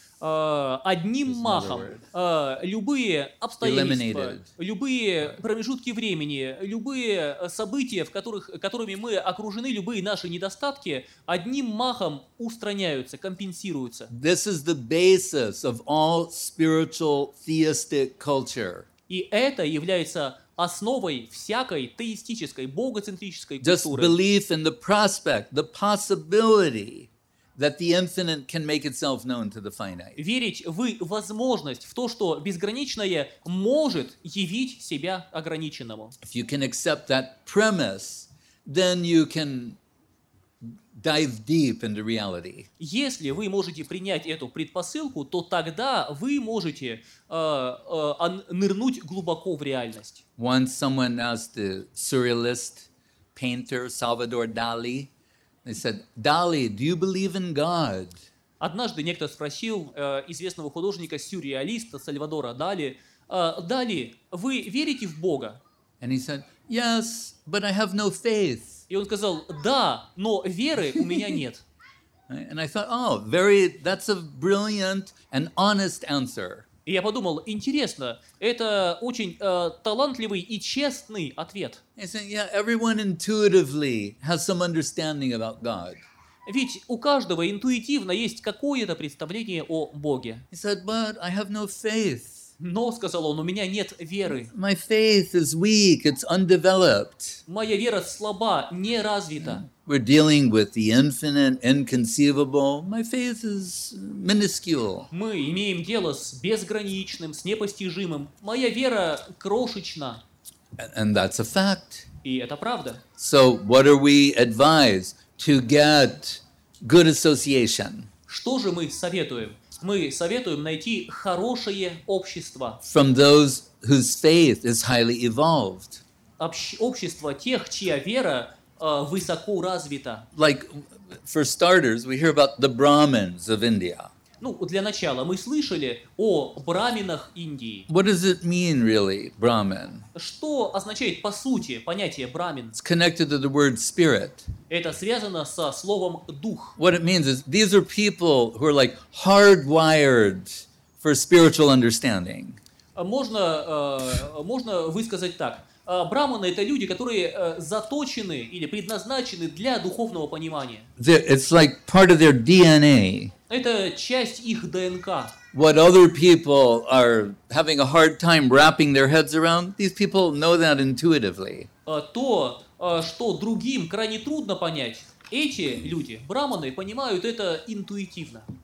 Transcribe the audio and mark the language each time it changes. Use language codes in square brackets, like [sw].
[ru] Одним махом любые обстоятельства, любые промежутки времени, любые события, которыми мы окружены, любые наши недостатки, одним махом устраняются, компенсируются. [en] This is the basis of all spiritual theistic culture. [ru] И это является основой всякой теистической, богоцентрической культуры. [en] Just belief in the prospect, the possibility that the infinite can make itself known to the finite. [ru] Верить в возможность, в то, что безграничное может явить себя ограниченному. [en] If you can accept that premise, then you can dive deep into reality. [ru] Если вы можете принять эту предпосылку, то тогда вы можете нырнуть глубоко в реальность. [en] Once someone asked the surrealist painter Salvador Dali, they said, "Dali, do you believe in God?" [ru] Однажды некто спросил известного художника сюрреалиста Сальвадора Дали: "Дали, вы верите в Бога?" [en] And he said, "Yes, but I have no faith." [ru] И он сказал: да, но веры у меня нет. [en] And I thought, oh, very, that's a brilliant and honest answer. [ru] И я подумал: интересно, это очень талантливый и честный ответ. [en] He said, yeah, everyone intuitively has some understanding about God. [ru] Ведь у каждого интуитивно есть какое-то представление о Боге. [en] He said, but I have no faith. [ru] Но, сказал он, у меня нет веры. [en] My faith is weak, it's undeveloped. [ru] Моя вера слаба, не развита. [en] We're dealing with the infinite, inconceivable. My faith is minuscule. [ru] Мы имеем дело с безграничным, с непостижимым. Моя вера крошечна. [en] And that's a fact. [ru] И это правда. [en] So what are we advised? To get good association. [ru] Что же мы советуем? Мы советуем найти хорошее общество. [en] From those whose faith is highly evolved. [ru] Общество тех, чья вера высоко развита. [en] Like, for starters, we hear about the Brahmins of India. [ru] Ну, для начала, мы слышали о браминах Индии. [en] What does it mean, really, Brahmin? [ru] Что означает, по сути, понятие брамин? [en] It's connected to the word spirit. [ru] Это связано со словом дух. [en] What it means is, these are people who are like hardwired for spiritual understanding. [ru] Можно высказать так. Браманы — это люди, которые заточены или предназначены для духовного понимания. [en] It's like part of their DNA. [ru] Это часть их ДНК. [en] what other people are having a hard time wrapping their heads around, these people know that intuitively. [ru] То, что другим крайне трудно понять, эти люди, браманы, понимают это интуитивно.